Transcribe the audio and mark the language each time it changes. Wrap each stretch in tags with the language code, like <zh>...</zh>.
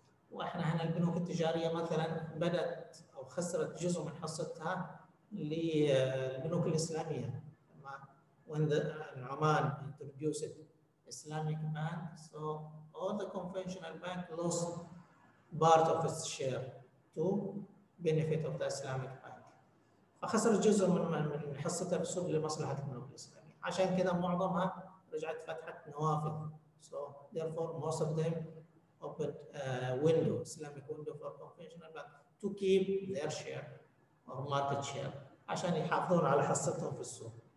<ar>وإحنا هنا البنوك التجارية مثلاً بدأت أو خسرت جزء من حصتها للبنوك الإسلامية.</ar> <en>When the عمان introduced Islamic bank, so all the conventional bank lost part of its share to benefit of the Islamic bank.</en> <ar>فخسرت جزء من حصتها بالسوق لمصلحة البنوك الإسلامية. عشان كده معظمها رجعت فتحت نوافذ.</ar> <en>So therefore, most of them opened a window, Islamic window for conventional bank to keep their share or market share</en> <ar>عشان يحافظون على حصتهم في السوق.</ar>